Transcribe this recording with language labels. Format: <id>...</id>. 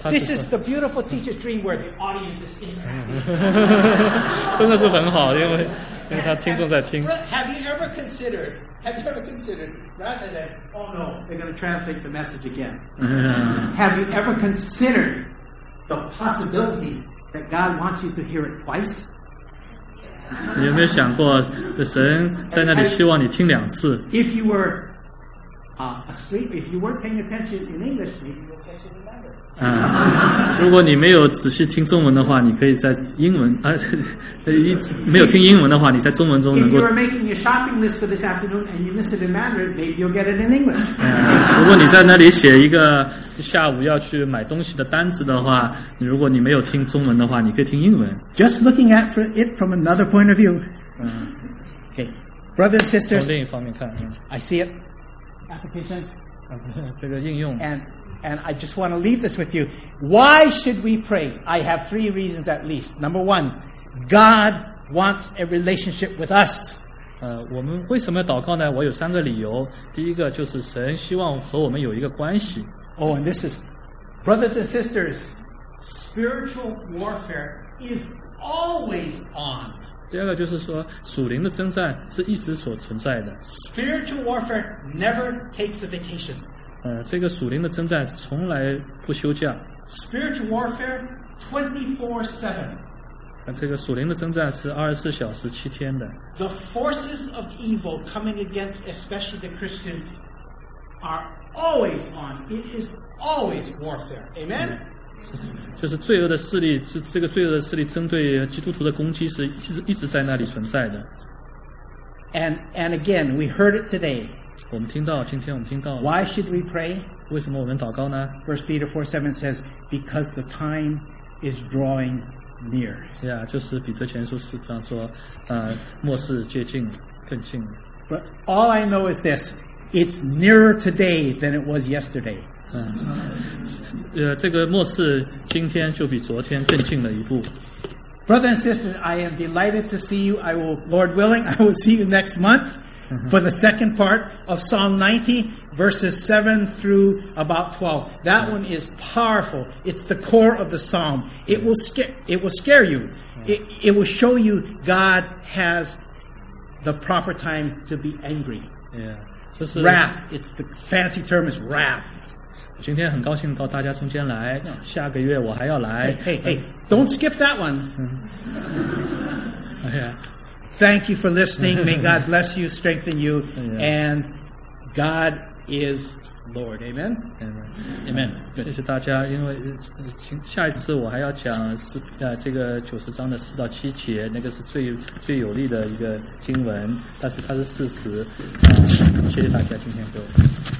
<en>this is the beautiful teacher's dream where the audience is interested.</en> <zh>真的是很好，因为他听众在听。</zh> <en>Have you ever considered, rather than, oh no, they're going to translate the message again. Have you ever considered the possibility that God wants you to hear it twice?</en> <zh>你有没有想过神在那里希望你听两次？</zh> <en>If you were asleep, if you weren't paying attention in English, maybe you'll catch it in Mandarin.</en> <zh>如果你没有仔细听中文的话，你可以在英文没有听英文的话，你在中文中能够。</zh> <en>If you are making your shopping list for this afternoon and you miss it in Mandarin, maybe you'll get it in English.</en> <zh>如果你在那里写一个下午要去买东西的单子的话，如果你没有听中文的话，你可以听英文。</zh> <en>Just looking at it from another point of view. Okay, brothers and sisters.</en> <zh>从另一方面看。</zh> <en>I see it. Application.</en> <zh>这个应用。</zh> <en>And I just want to leave this with you. Why should we pray? I have three reasons at least. Number one, God wants a relationship with us.</en> <zh>我们为什么要祷告呢？我有三个理由。第一个就是神希望和我们有一个关系。</zh> <en>Oh, and this is, brothers and sisters, spiritual warfare is always on.</en> <zh>第二个就是说，属灵的征战是一直所存在的。</zh> <en>Spiritual warfare never takes a vacation.</en> <zh>这个属灵的征战是从来不休假。</zh> <en>Spiritual warfare 24/7.</en> <zh>这个属灵的征战是24小时7天的。</zh> <en>The forces of evil coming against especially the Christian are always on. It is always warfare. Amen?</en> <zh>就是罪恶的势力，这个罪恶的势力针对基督徒的攻击是一直在那里存在的。</zh> <en>And again, we heard it today.</en> <zh>我们听到，今天我们听到了。</zh> <en>Why should we pray?</en> <zh>为什么我们祷告呢？</zh> <en>1 Peter 4:7 says, because the time is drawing near.</en> <zh>Yeah, 就是彼得前书四章说，末世接近，更近。</zh> <en>But all I know is this, it's nearer today than it was yesterday.</en> <zh>这个末世今天就比昨天更近了一步。</zh> <en>Brother and sister, I am delighted to see you. I will, Lord willing, I will see you next month. For the second part of Psalm 90, verses 7 through about 12. That one is powerful. It's the core of the psalm. It will scare you. It will show you God has the proper time to be angry.</en> <zh>Yeah. 就是,</zh> <en>wrath. It's the fancy term is wrath.</en> <zh>今天很高兴到大家中间来，下个月我还要来。</zh> <en>Hey, don't skip that one. Thank you for listening. May God bless you, strengthen you, and God is Lord. Amen. Amen.</en> <zh>谢谢大家，因为下一次我还要讲这个九十章的四到七节，那个是最有力的一个经文，但是它是事实。谢谢大家今天给我。</zh>